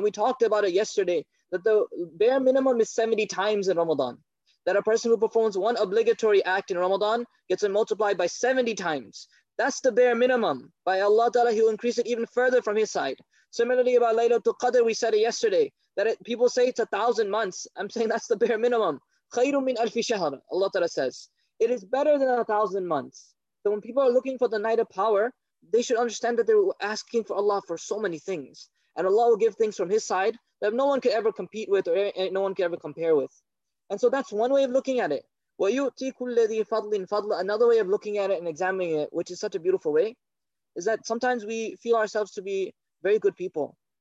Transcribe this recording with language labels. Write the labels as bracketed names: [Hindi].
[English] And we talked about it yesterday, that the bare minimum is 70 times in Ramadan. That a person who performs one obligatory act in Ramadan gets it multiplied by 70 times. That's the bare minimum. By Allah Ta'ala, he will increase it even further from his side. Similarly, about Laylatul Qadr, we said it yesterday, that people say it's 1,000 months. I'm saying that's the bare minimum. [Arabic] خَيْرٌ مِنْ أَلْفِ شَهْرٍ, [English] Allah Ta'ala says. It is better than 1,000 months. So when people are looking for the night of power, they should understand that they're asking for Allah for so many things. And Allah will give things from his side that no one could ever compete with or no one could ever compare with. And so that's one way of looking at it. [Arabic] وَيُؤْتِي كُلَّذِي فَضْلٍ فَضْلًا, [English] another way of looking at it and examining it, which is such a beautiful way, is that sometimes we feel ourselves to be very good people.